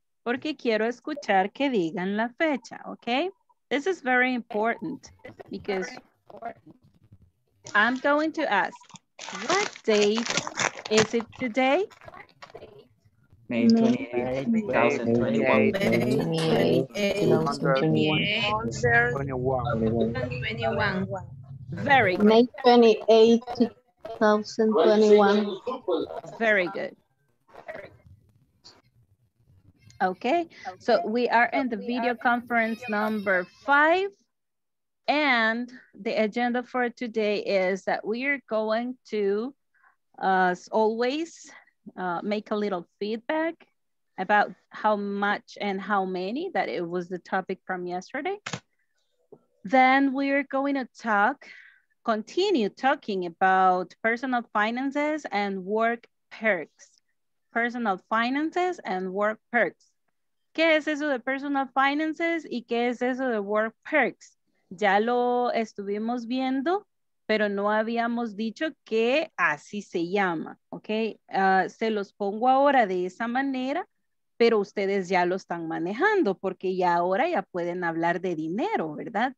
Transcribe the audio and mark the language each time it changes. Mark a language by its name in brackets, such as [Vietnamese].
[Spanish] Porque quiero escuchar que digan la fecha, okay? [English] This is very important because I'm going to ask, what date is it today? May 28, 2021. Very good. May 28, 2021. Very good. Okay, so we are in the video conference number 5. And the agenda for today is that we are going to, as always, make a little feedback about how much and how many, that it was the topic from yesterday. Then we are going to continue talking about personal finances and work perks. Personal finances and work perks. [Spanish] ¿Qué es eso de personal finances y qué es eso de work perks? Ya lo estuvimos viendo, pero no habíamos dicho que así se llama, ¿ok? Se los pongo ahora de esa manera, pero ustedes ya lo están manejando porque ya ahora ya pueden hablar de dinero, ¿verdad?